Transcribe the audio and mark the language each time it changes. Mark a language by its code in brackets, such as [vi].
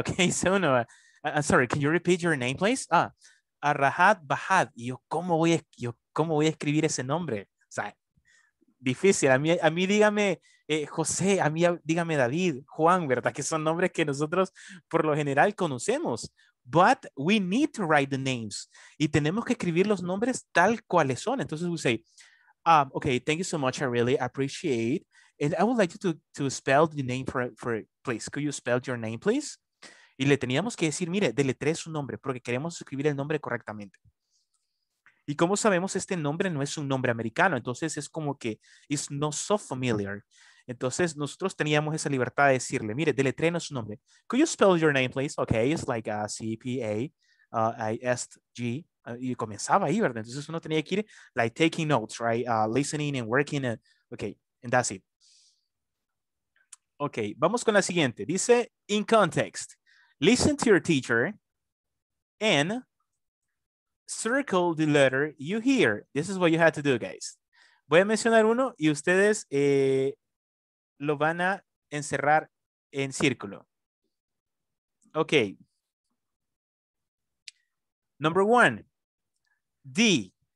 [en] Ok, so no, I'm sorry, can you repeat your name, please? Ah, Arrahat Bahad. [es] Y yo, ¿cómo voy a escribir ese nombre? O sea, difícil. A mí dígame José, a mí dígame David, Juan, ¿verdad? Que son nombres que nosotros por lo general conocemos. [en] But we need to write the names. [es] Y tenemos que escribir los nombres tal cuales son. [en] Entonces we say, okay, thank you so much. I really appreciate. And I would like you to spell the name for it, please. Could you spell your name, please? [es] Y le teníamos que decir, mire, deletree su nombre, porque queremos escribir el nombre correctamente. Y como sabemos, este nombre no es un nombre americano. Entonces, es como que, [en] it's not so familiar. [es] Entonces, nosotros teníamos esa libertad de decirle, mire, deletreenos su nombre. [en] Could you spell your name, please? Okay, it's like a C-P-A-I-S-G. [es] Y comenzaba ahí, ¿verdad? Entonces, uno tenía que ir, [en] like, taking notes, right? Listening and working. Okay, and that's it. [es] Okay, vamos con la siguiente. [en] Dice, in context, listen to your teacher and circle the letter you hear. This is what you had to do, guys. [es] Voy a mencionar uno y ustedes lo van a encerrar en círculo. [en] Okay. Number one, D.